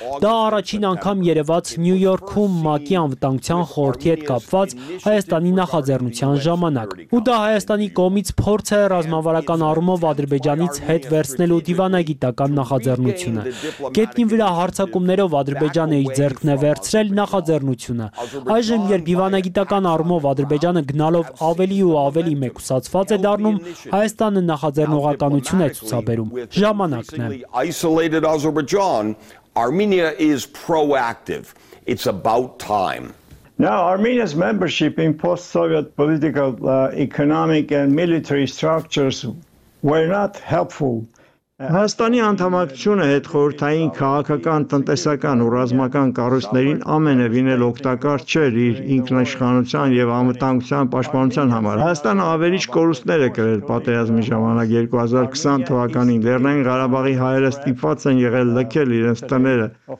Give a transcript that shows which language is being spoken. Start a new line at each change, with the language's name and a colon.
Armenian: Դա առաջին անգամ երևաց Նյու Յորքում ՄԱԿ-ի անվտանգության խորհրդի հետ կապված Հայաստանի նախաձեռնության ժամանակ, ու դա Հայաստանի կողմից փորձ է ռազմավարական առումով Ադրբեջանից հետ վերցնելու դիվանագիտական նախաձեռնությունը։ Գետնին վրա հարձակումներով Ադրբեջանը իր ձեռքն է վերցրել նախաձեռնությունը։ Այժմ, երբ դիվանագիտական առումով Ադրբեջանը գնալով ավելի ու ավելի մեկուսացված է դառնում, Հայաստանը նախաձեռնողականություն է ցուցաբերում։ Ժամանակն է։
English: Isolated Azerbaijan, Armenia is proactive. It's about time. Now, Armenia's membership in post-Soviet political, economic and military structures were not helpful.
Armenian: Հայաստանի անդամակցությունը հետխորհրդային քաղաքական, տնտեսական ու ռազմական կառույցներին ամենևին էլ օգտակար չէր իր ինքնիշխանության և անվտանգության պաշտպանության համար։ Հայաստանը ավելի կորուստներ է կրել պատերազմի ժամանակ 2020 թվականին, Լեռնային Ղարաբաղի հայերը ստիպված են եղել լքել իրենց տները։